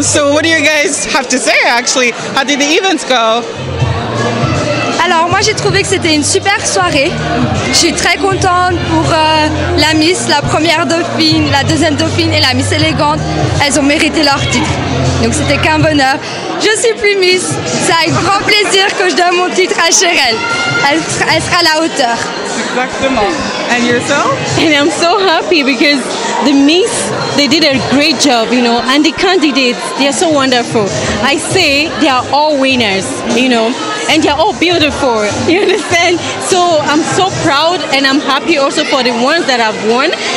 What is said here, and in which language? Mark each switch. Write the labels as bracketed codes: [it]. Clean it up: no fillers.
[en] So what do you guys have to say actually? How did the events go? [fr] Alors moi j'ai trouvé que c'était une super soirée. Je suis très contente pour la Miss, la première dauphine, la deuxième dauphine et la Miss élégante. Elles ont mérité leur titre. Donc c'était qu'un bonheur. Je suis plus Miss. C'est avec grand plaisir que je donne mon titre à Cheryl. Elle sera à la hauteur. Exactement. [en] And yourself? And I'm so happy because the Miss, they did a great job, you know. And the candidates, they are so wonderful. I say they are all winners, you know. And they are all beautiful, you understand? So I'm so proud and I'm happy also for the ones that have won.